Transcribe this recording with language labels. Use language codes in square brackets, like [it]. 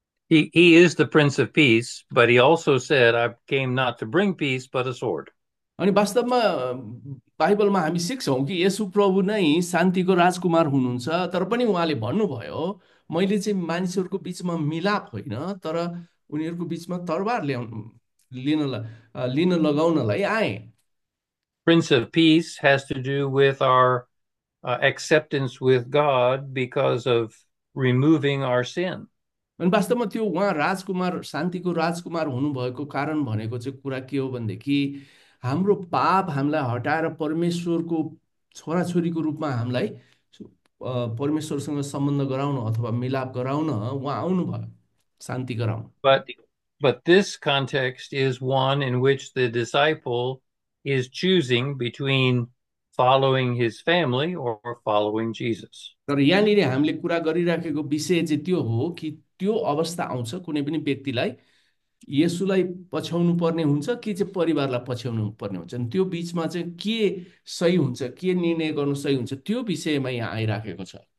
[en] He is the Prince of Peace, but he also said, I came not to bring peace, but a sword. [ne] अनि वास्तवमा बाइबलमा हामी सिक्छौँ कि येशू प्रभु नै शान्तिको राजकुमार हुनुहुन्छ, तर पनि उहाँले भन्नुभयो मैले चाहिँ मानिसहरूको बिचमा मिलाप होइन तर उनीहरूको बिचमा तरबार ल्याउनु लिन लगाउनलाई आएँ। [en] Prince of Peace has to do with our acceptance with God because of removing our sin. [ne] अनि वास्तवमा त्यो उहाँ राजकुमार शान्तिको राजकुमार हुनुभएको कारण भनेको चाहिँ कुरा के हो भनेदेखि हाम्रो पाप हामीलाई हटाएर परमेश्वरको छोराछोरीको रूपमा हामीलाई परमेश्वरसँग सम्बन्ध गराउन अथवा मिलाप गराउन उहाँ आउनुभयो शान्ति गराउन। [en] But this context is one in which the disciple is choosing between following his family or following Jesus. [ne] तर यहाँनिर हामीले कुरा गरिराखेको विषय चाहिँ त्यो हो कि त्यो अवस्था आउँछ कुनै पनि व्यक्तिलाई येशूलाई पछ्याउनु पर्ने हुन्छ कि चाहिँ परिवारलाई पछ्याउनु पर्ने हुन्छ, अनि त्यो बिचमा चाहिँ के सही हुन्छ के निर्णय गर्नु सही हुन्छ त्यो विषयमा यहाँ आइराखेको छ।